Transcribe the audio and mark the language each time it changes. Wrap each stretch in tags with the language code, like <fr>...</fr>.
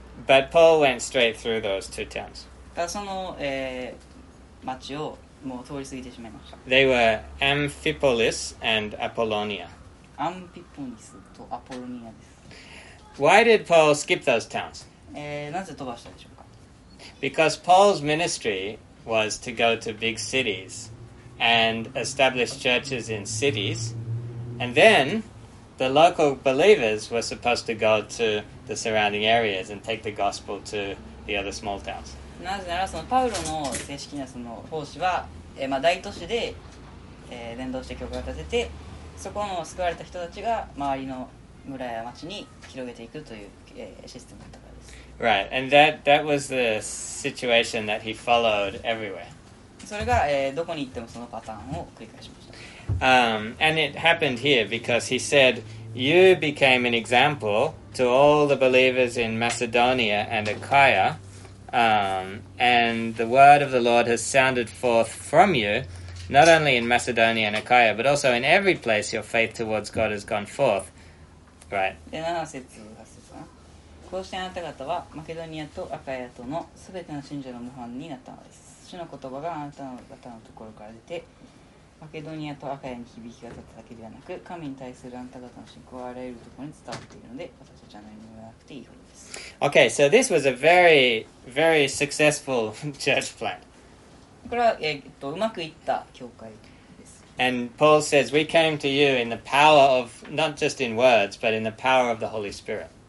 <en>But Paul went straight through those two towns.</en> <ja>その、町をもう通り過ぎてしまいました。</ja> <en>They were Amphipolis and Apollonia.</en> <ja>Amphipolis とアポロニアです。</ja> <en>Why did Paul skip those towns?</en> <ja>なぜ飛ばしたでしょうか?</ja> <en>Because Paul's ministry was to go to big cities and establish churches in cities, and then the local believers were supposed to go to the surrounding areas and take the gospel to the other small towns.</en> <ja>なぜならそのパウロの正式なその奉仕は、まあ、大都市で、伝道して教会を建ててそこの救われた人たちが周りの村や町に広げていくという、システムだったからです。</ja> <en>Right, and that was the situation that he followed everywhere.</en> <ja>それが、どこに行ってもそのパターンを繰り返しました。</ja> <en>And it happened here because he said, you became an example to all the believers in Macedonia and Achaia. And the word of the Lord has sounded forth from you, not only in Macedonia and Achaia, but also in every place your faith towards God has gone forth. Right.</en> <ja>で、7節、8節かな。こうしてあなた方はマケドニアとアカイアとのすべての信者の模範になったのです。主の言葉があなた方のところから出て、マケドニアとアカイアに響き渡っただけではなく、神に対するあなた方の信仰はあらゆるところに伝わっているので、私たちは何も言わなくていいほどです。</ja> <en>Okay, so this was a very, very successful church plant.</en> <ja>これは、うまくいった教会です。</ja> <en>And Paul says, we came to you in the power of, not just in words, but in the power of the Holy Spirit.</en>